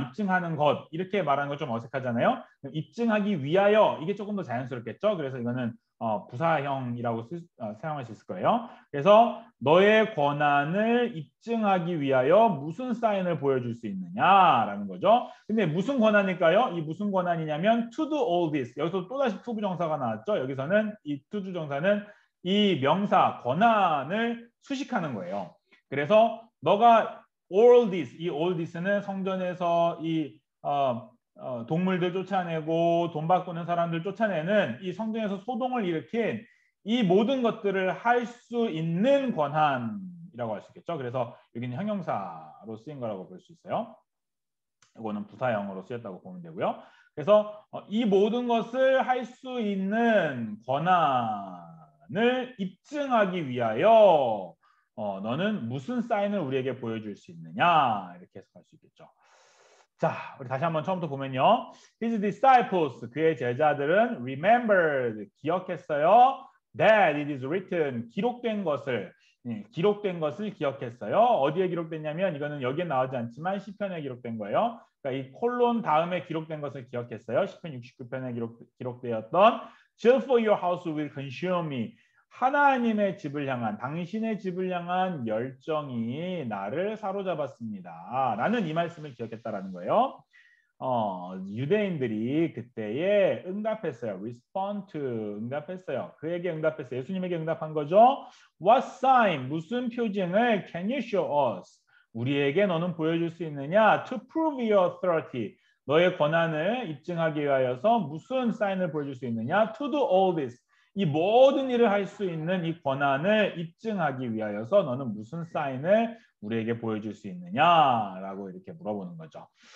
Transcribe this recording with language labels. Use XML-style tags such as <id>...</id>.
<ko>입증하는 것, 이렇게 말하는 거좀 어색하잖아요. 입증하기 위하여, 이게 조금 더 자연스럽겠죠? 그래서 이거는 부사형이라고 사용할 수 있을 거예요. 그래서 너의 권한을 입증하기 위하여 무슨 사인을 보여줄 수 있느냐라는 거죠. 근데 무슨 권한일까요? 이 무슨 권한이냐면</ko> <en>to do all this.</en> <ko>여기서 또다시 to 부정사가 나왔죠. 여기서는 이 to do 정사는 이 명사 권한을 수식하는 거예요. 그래서 너가</ko> <en>all this,</en> <ko>이 all this는 성전에서 이 동물들 쫓아내고 돈 바꾸는 사람들 쫓아내는 이 성전에서 소동을 일으킨 이 모든 것들을 할수 있는 권한이라고 할수 있겠죠. 그래서 여기는 형용사로 쓰인 거라고 볼수 있어요. 이거는 부사형으로 쓰였다고 보면 되고요. 그래서 이 모든 것을 할수 있는 권한을 입증하기 위하여 너는 무슨 사인을 우리에게 보여줄 수 있느냐? 이렇게 해석할 수 있겠죠. 자, 우리 다시 한번 처음부터 보면요.</ko> <en>His disciples,</en> <ko>그의 제자들은</ko> <en>remembered,</en> <ko>기억했어요.</ko> <en>That it is written,</en> <ko>기록된 것을, 기록된 것을 기억했어요. 어디에 기록됐냐면, 이거는 여기에 나오지 않지만 시편에 기록된 거예요. 그러니까 이 콜론 다음에 기록된 것을 기억했어요. 시편 69편에 기록되었던</ko> <en>Zeal for your house will consume me.</en> <ko>하나님의 집을 향한, 당신의 집을 향한 열정이 나를 사로잡았습니다. 라는 이 말씀을 기억했다라는 거예요. 유대인들이 그때에 응답했어요.</ko> <en>Respond to,</en> <ko>응답했어요. 그에게 응답했어요. 예수님에게 응답한 거죠.</ko> <en>What sign,</en> <ko>무슨 표징을</ko> <en>can you show us?</en> <ko>우리에게 너는 보여줄 수 있느냐?</ko> <en>To prove your authority,</en> <ko>너의 권한을 입증하기 위하여서 무슨 사인을 보여줄 수 있느냐?</ko> <en>To do all this.</en> <ko>이 모든 일을 할수 있는 이 권한을 입증하기 위하여서 너는 무슨 사인을 우리에게 보여줄 수 있느냐라고 이렇게 물어보는 거죠.</ko>